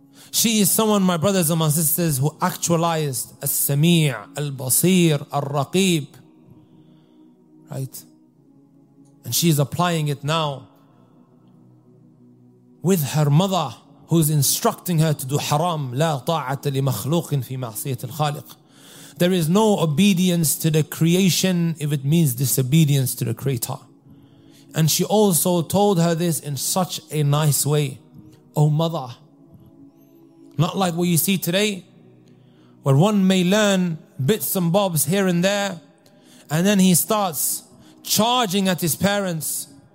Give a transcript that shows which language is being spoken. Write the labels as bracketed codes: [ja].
[en] She is someone, my brothers and my sisters, who actualized As-Sami' Al-Basir Al-Raqib. Right? And she is applying it now with her mother, who's instructing her to do haram. [ar] لا طاعة لمخلوق في معصية الخالق. [en] There is no obedience to the creation if it means disobedience to the Creator. And she also told her this in such a nice way. Oh mother, not like what you see today, where one may learn bits and bobs here and there, and then he starts charging at his parents.